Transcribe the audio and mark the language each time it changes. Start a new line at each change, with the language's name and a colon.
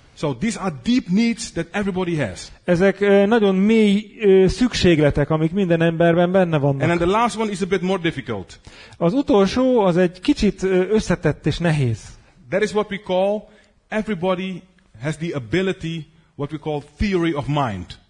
English: So these are deep needs that everybody has.
Hungarian: Ezek nagyon mély szükségletek, amik minden emberben benne vannak.
English: And then the last one is a bit more difficult.
Hungarian: Az utolsó az egy kicsit összetett és nehéz.
English: That is what we call everybody has the ability, what we call theory of mind.